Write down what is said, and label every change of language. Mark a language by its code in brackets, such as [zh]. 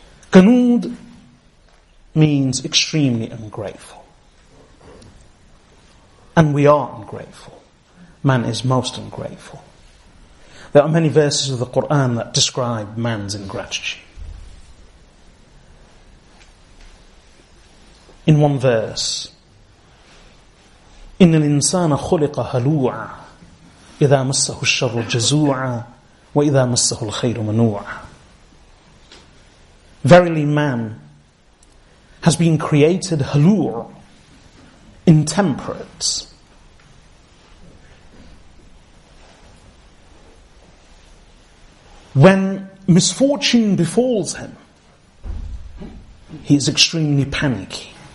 [en] Kanud means extremely ungrateful. And we are ungrateful. Man is most ungrateful. There are many verses of the Quran that describe man's ingratitude. In one verse, [ar] إِنَّ الْإِنسَانَ خُلِقَ هَلُوعًا إِذَا مَسَّهُ الشَّرُّ جَزُوعًا وَإِذَا مَسَّهُ الْخَيْرُ مَنُوعًا. [en] Verily man has been created halu', intemperate. When misfortune befalls him, he is extremely panicky.